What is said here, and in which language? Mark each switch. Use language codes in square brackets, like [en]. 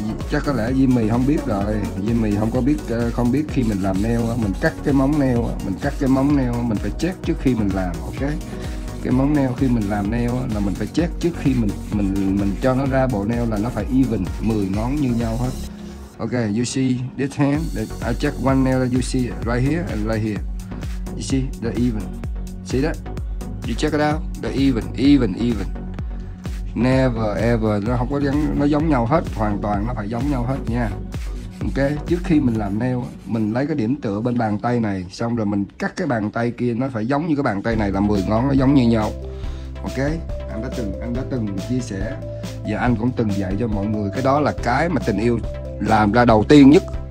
[vi] Chắc có lẽ Jimmy không biết rồi, Jimmy không có biết, không biết khi mình làm nail, mình cắt cái móng nail, mình phải check trước khi mình làm, ok? Cái móng nail khi mình làm nail là mình phải check trước khi mình cho nó ra bộ nail là nó phải even, 10 ngón như nhau hết. [en] Ok, you see this hand, I check one nail that you see right here and right here. You see, they're even. See that? You check it out, they're even, even, even. Never ever, [vi] nó không có giống, nó giống nhau hết, hoàn toàn nó phải giống nhau hết nha. Ok, trước khi mình làm nail, mình lấy cái điểm tựa bên bàn tay này, xong rồi mình cắt cái bàn tay kia, nó phải giống như cái bàn tay này là 10 ngón, nó giống như nhau. Ok, anh đã từng chia sẻ, và anh cũng từng dạy cho mọi người, cái đó là cái mà tình yêu làm ra đầu tiên nhất.